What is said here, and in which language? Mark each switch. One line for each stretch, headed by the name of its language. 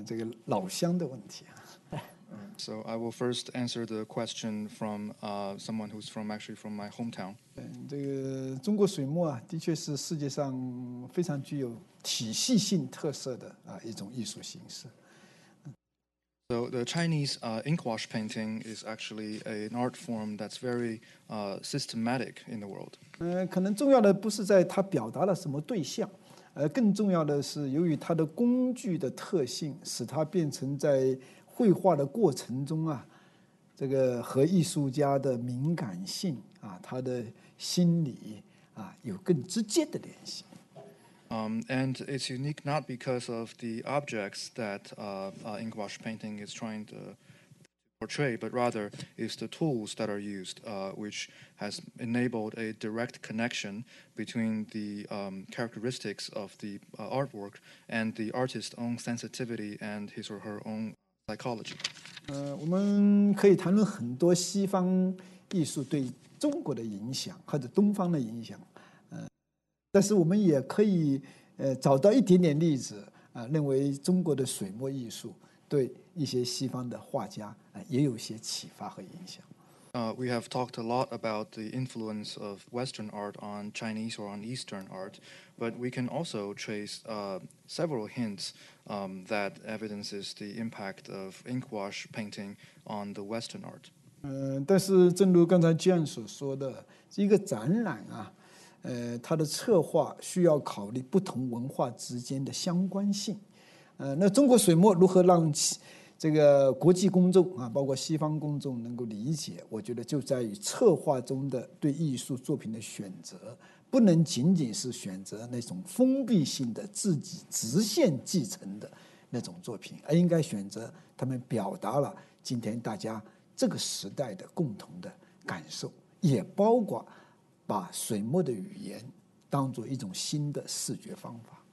Chinese: 我先回答一下这位我的这个老乡的问题啊。
English: So I will first answer the question from someone who's from actually from my hometown.
Chinese: 这个中国水墨啊，的确是世界上非常具有体系性特色的啊一种艺术形式。
English: So the Chinese ink wash painting is actually an art form that's very systematic in the world.
Chinese: 可能重要的不是在它表达了什么对象，更重要的是由于它的工具的特性，使它变成在绘画的过程中啊，这个和艺术家的敏感性啊，他的心理啊，有更直接的联系。
English: And it's unique not because of the objects that ink wash painting is trying to portray, but rather it's the tools that are used, which has enabled a direct connection between the characteristics of the artwork and the artist's own sensitivity and his or her own psychology.
Chinese: 我们可以谈论很多西方艺术对中国的影响或者东方的影响。但是我们也可以找到一点点例子认为中国的水墨艺术对一些西方的画家也有些启发和影响。
English: We have talked a lot about the influence of Western art on Chinese or on Eastern art, but we can also trace several hints that evidences the impact of ink wash painting on the Western art.
Chinese: 但是正如刚才 Jan 所说的，一个展览啊，它的策划需要考虑不同文化之间的相关性。那中国水墨如何让这个国际公众啊，包括西方公众能够理解，我觉得就在于策划中的对艺术作品的选择，不能仅仅是选择那种封闭性的自己直线继承的那种作品，而应该选择他们表达了今天大家这个时代的共同的感受，也包括把水墨的语言当作一种新的视觉方法。